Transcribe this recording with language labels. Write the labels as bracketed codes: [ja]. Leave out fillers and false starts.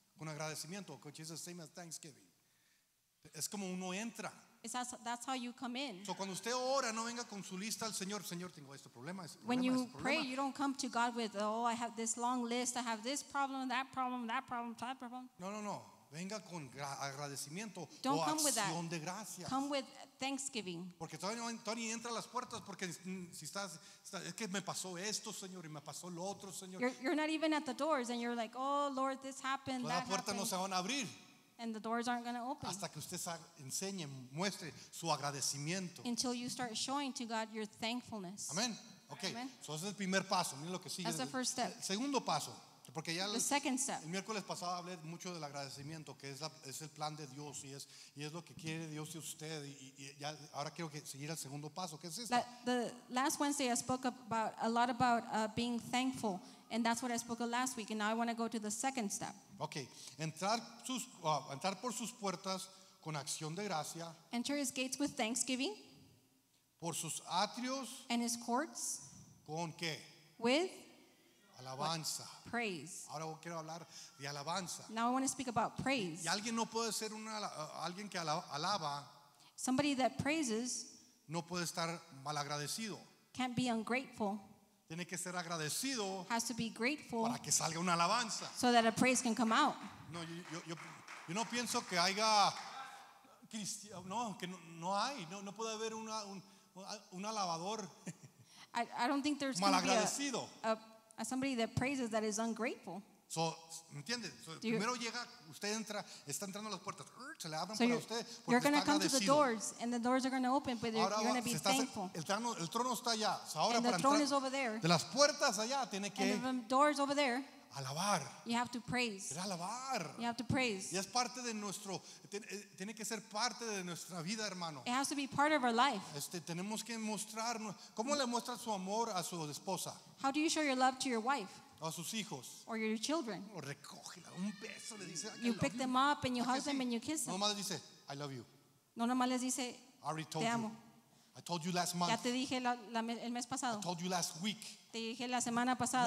[es] Con agradecimiento, [en] which is the same as thanksgiving. [es] Es como uno entra. [en] That's how you come in. [es] So cuando usted ora, no venga con su lista al Señor. Señor, tengo este problema. [en] When you pray, you don't come to God with, oh, I have this long list. I have this problem, that problem, that problem, that problem. [es] No, no, no. Venga con agradecimiento o acción de gracias. [en] Come with thanksgiving. [es] Porque todavía entra a las puertas porque si estás, es que me pasó esto, Señor, y me pasó lo otro, Señor. [en] You're not even at the doors and you're like, oh, Lord, this happened, that happened. [es] Todas las puertas no se van a abrir. [en] And the doors aren't going to open. [es] Hasta que usted enseñe, muestre su agradecimiento. [en] Until you start showing to God your thankfulness. [es] Amén. Okay. So ese es el primer paso. Mira lo que sigue. [en] That's the first step. [es] Segundo paso. Porque ya el miércoles pasado hablé mucho del agradecimiento, que es el plan de Dios y es lo que quiere Dios de usted. Y ya, ahora quiero seguir al segundo paso, que es esto. [en] The last Wednesday I spoke a lot about being thankful, and that's what I spoke of last week. And now I want to go to the second step. [es] Okay, entrar por sus puertas con acción de gracia. [en] Enter his gates with thanksgiving. [es] Por sus atrios. [en] And his courts. [es] ¿Con qué? [en] With. [es] Alabanza. [en] Praise. [es] Ahora quiero hablar de alabanza. [en] Now I want to speak about praise. [es] Y alguien no puede ser alguien que alaba. [en] Somebody that praises. [es] No puede estar mal agradecido. [en] Can't be ungrateful. [es] Tiene que ser agradecido. [en] Has to be grateful. [es] Para que salga una alabanza. [en] So that a praise can come out. [es] No, yo no pienso que haya cristiano. No, que no hay. No puede haber un alabador. [en] I don't think there's [es] mal agradecido. [en] As somebody that praises that is ungrateful. [es] So, ¿entiende? So, primero llega, usted entra, está entrando a las puertas, se le abren para usted porque [en] you're going to come to the doors and the doors are going to open, but [es] ahora [en] you're going to be thankful. [es] El trono está allá. So, ahora [en] and [es] para [en] the throne [es] entrar, [en] is over there. [es] De las puertas allá tiene que [en] and the doors over there. [es] Alabar. [en] You have to praise. [es] Es alabar. [en] You have to praise. [es] Y es parte de nuestro tiene que ser parte de nuestra vida, hermano. [en] It has to be part of our life. [es] Tenemos que mostrar cómo le muestra su amor a su esposa. [en] How do you show your love to your wife? [es] O a sus hijos. [en] Or your children. [es] O recógela, un beso le dice. [en] You pick them up and you hug them and you kiss them. [es] No nomás les dice [en] I love you. [es] No nomás les dice te amo. [en] I told you last month. [es] Ya te dije el mes pasado. [en] I told you last week. [es] Te dije la semana pasada.